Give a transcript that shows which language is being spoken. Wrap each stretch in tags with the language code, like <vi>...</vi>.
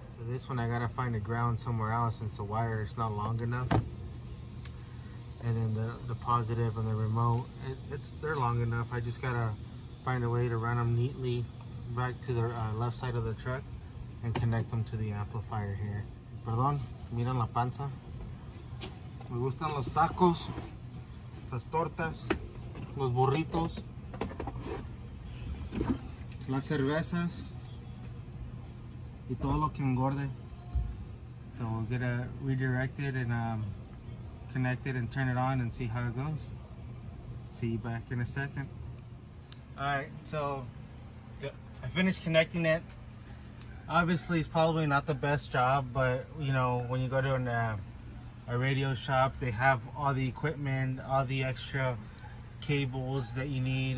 <en>So this one I gotta find a ground somewhere else, since the wire is not long enough. And then the positive and the remote, they're long enough. I just gotta find a way to run them neatly back to the left side of the truck and connect them to the amplifier here.</en> <es>Perdón, miren la panza. Me gustan los tacos, las tortas, los burritos, las cervezas, y todo lo que engorde.</es> <en>So we'll get redirected and connect it and turn it on and see how it goes. See you back in a second. All right, so I finished connecting it. Obviously it's probably not the best job, but you know, when you go to a radio shop, they have all the equipment, all the extra cables that you need.</en>